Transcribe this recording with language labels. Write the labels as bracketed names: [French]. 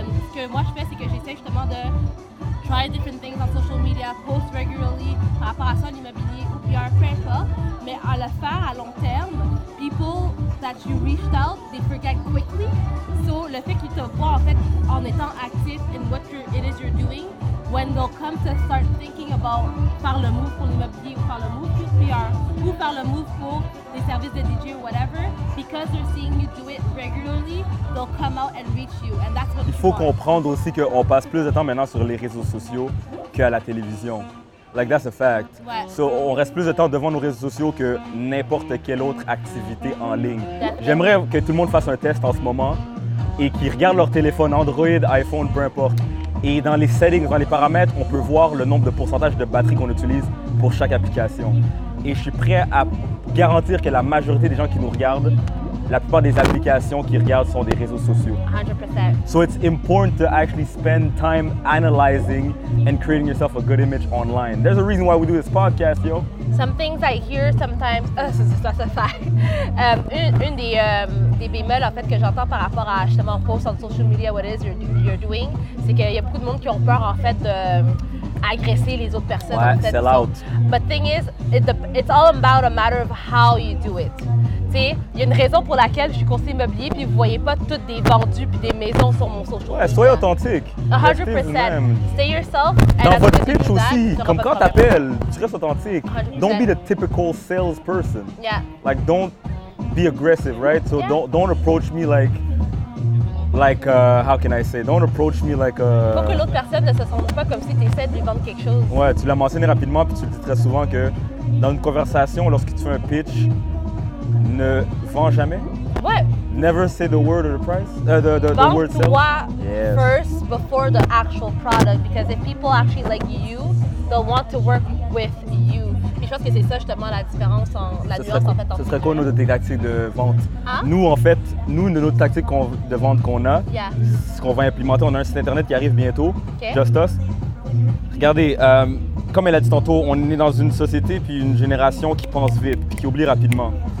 [French] Ce que moi je fais, c'est que j'essaie justement de [English] try different things on social media, post regularly, [French] par rapport à ça, l'immobilier ou PR, peu importe. Mais à la fin, à long terme, [English] people that you reached out, they forget quickly. So, [French] le fait qu'ils te voient en fait en étant actif [English] in what it is you're doing, when they'll come to start thinking about [French] faire le move pour l'immobilier ou faire le move pour PR ou faire le move pour les services de DJ [English] ou whatever, because they're seeing you do it regularly, they'll come out and reach you. And that's what [French] il faut comprendre aussi qu'on passe plus de temps maintenant sur les réseaux sociaux qu'à la télévision. [English] Like, that's a fact. [French] Ouais. So, on reste plus de temps devant nos réseaux sociaux que n'importe quelle autre activité en ligne. [English] Definitely. [French] J'aimerais que tout le monde fasse un test en ce moment et qu'ils regardent leur téléphone, Android, iPhone, peu importe. Et dans les settings, dans les paramètres, on peut voir le nombre de pourcentage de batterie qu'on utilise pour chaque application. Et je suis prêt à garantir que la majorité des gens qui nous regardent, la plupart des applications qu'ils regardent sont des réseaux sociaux. [English] 100%. So it's important to actually spend time analyzing and creating yourself a good image online. There's a reason why we do this podcast, yo. Some things I hear sometimes, [French] une des bémols en fait que j'entends par rapport à justement [English] post on social media, what is you're doing, [French] c'est qu'il y a beaucoup de monde qui ont peur en fait de agresser les autres personnes. Ouais, peut-être, [English] sell out. But thing is, it's all about a matter of how you do it. [French] Il y a une raison pour laquelle je suis conseiller immobilier puis vous voyez pas toutes des vendus puis des maisons sur mon social media. Soyez authentique. [English] 100%. Stay yourself. [French] Dans votre pitch aussi, comme quand t'appelles, tu restes authentique. [English] Don't be the typical salesperson. Yeah. Like, don't be aggressive, right? So don't approach me like how can I say? Don't approach me like a. [French] Pour que l'autre personne ne se sente pas comme vendre quelque chose. Ouais, tu l'as mentionné rapidement, puis tu le dis très souvent que dans une conversation, lorsque tu fais un pitch, ne vends jamais. Ouais. [English] Never say the word or the price. The word sell. Yes. First before the actual product, because if people actually like you, they'll want to work with you. [French] Je pense que c'est ça justement la différence, la nuance en fait. Ce serait quoi notre tactique de vente? Hein? Nous en fait, nous, notre tactique de vente qu'on a, ce qu'on va implémenter, on a un site internet qui arrive bientôt, Just Us. Regardez, comme elle a dit tantôt, on est dans une société puis une génération qui pense vite puis qui oublie rapidement.